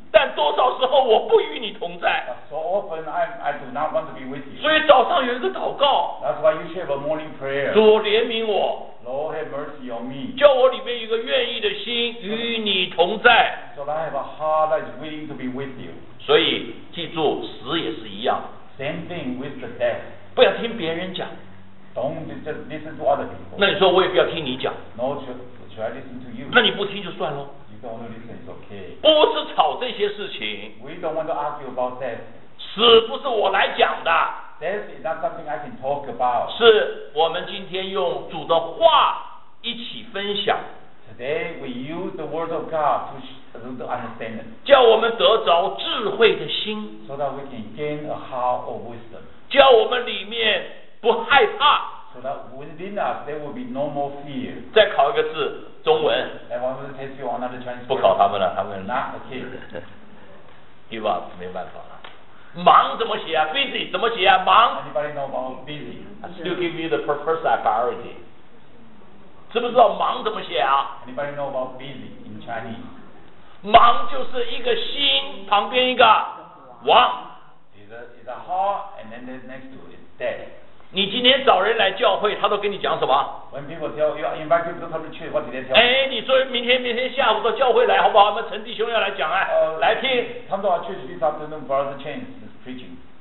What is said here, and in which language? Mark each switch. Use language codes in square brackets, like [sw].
[zh] 但多少时候我不与你同在。 [en] So often I do not want to be with you. [zh] 所以早上有一个祷告。 [en] That's why you should have a morning prayer. [zh] 主怜悯我。 [en] Lord have mercy on me. [zh] 叫我里面有个愿意的心与你同在。 [en] So I have a heart that is willing to be with you. [zh] 所以记住，死也是一样。 [en] Same thing with the death. [zh] 不要听别人讲。 [en] Don't just listen to other people. [zh] 那你说我也不要听你讲。 [en] No, should I listen to you? [zh] 那你不听就算了。 [en] Okay. [zh] 不是吵这些事情。 [en] We don't want to argue about death. [zh] 死不是我来讲的。 [en] Death is not something I can talk about. [zh] 是我们今天用主的话一起分享。 [en] Today we use the word of God to understand it. [zh] 叫我们得着智慧的心。 [en] So that we can gain a heart of wisdom. [zh] 叫我们里面不害怕。 [en] So that within us there will be no more fear. [zh] 再考一个字。中文 [en] I want to test you another Chinese [zh] 不考他们了他们 [en] Not a kid Give up [zh] 没办法了忙怎么写啊 busy 怎么写啊忙 [en] anybody know about busy、 I、still give you the first priority [zh] 知不知道忙怎么写啊 [en] anybody know about busy in Chinese [zh] 忙就是一个心旁边一个忘 [en] it's a heart and then next to it dead [zh] 你今天找人来教会他都跟你讲什么 [en] when people tell you invite people to church what did they tell you [zh] 哎你作为明天下午到教会来好不好我们陈弟兄要来讲啊、来听 [en] come to our church this afternoon for the change preaching